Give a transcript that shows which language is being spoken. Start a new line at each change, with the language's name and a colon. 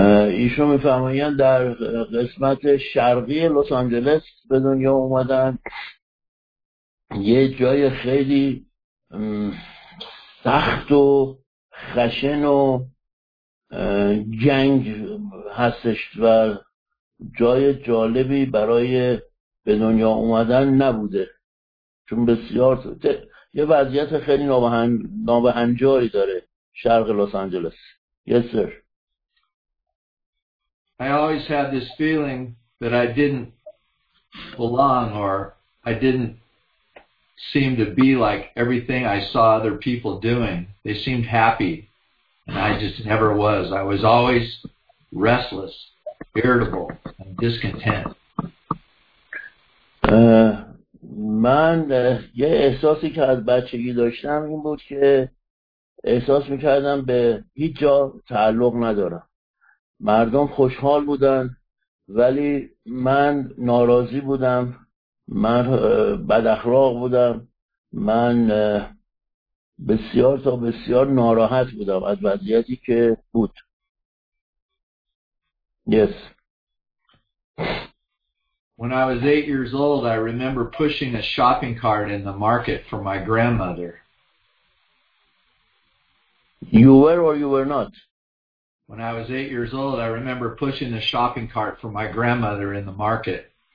Persian: ایشون میفرمایند در قسمت شرقی لس آنجلس به دنیا اومدن، یه جای خیلی سخت و خشن و جنگ هستش و جای جالبی برای به دنیا اومدن نبوده، چون بسیار یه وضعیت خیلی نابهنجاری داره شرق لس آنجلس.
English: Yes sir. I always had this feeling that I didn't belong or I didn't seem to be like everything I saw other people doing. They seemed happy And I just never was. I was always restless, irritable, and discontent.
Persian: من یه احساسی که از بچگی داشتم این بود که احساس میکردم به هیچ جا تعلق ندارم. مردم خوشحال بودن ولی من ناراضی بودم. من بد اخلاق بودم. من بسیار تا بسیار ناراحت بودم از وضعیتی که بود.
English: Yes. When I was 8 years old, I remember pushing a shopping cart in the market for my grandmother. You were or you were not? When I was 8 years old, I remember pushing a shopping cart for my grandmother in the market.